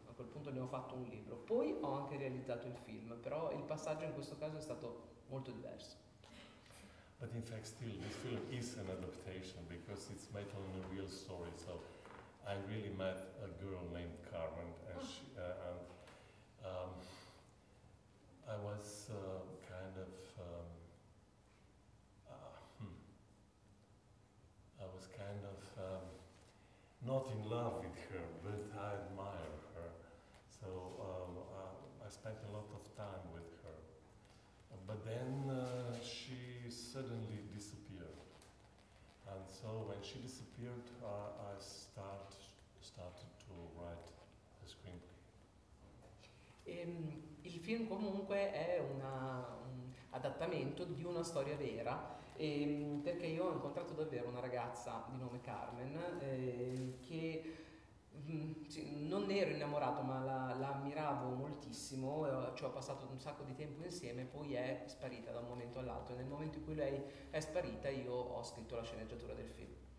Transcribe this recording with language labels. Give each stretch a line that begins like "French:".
Italian: A quel punto ne ho fatto un libro. Poi ho anche realizzato il film, però il passaggio in questo caso è stato molto diverso.
English: But in fact, still, this film is an adaptation because it's made on a real story. So I really met a girl named Carmen, and I was kind of not in love with her, but I admire her. So I spent a lot of time with her. But then she suddenly disappeared. And so when she disappeared, I started to write a screenplay.
Italian: Il film comunque è un adattamento di una storia vera, perché io ho incontrato davvero una ragazza di nome Carmen che non ero innamorato, ma la ammiravo moltissimo, ci ho passato un sacco di tempo insieme, poi è sparita da un momento all'altro, e nel momento in cui lei è sparita io ho scritto la sceneggiatura del film.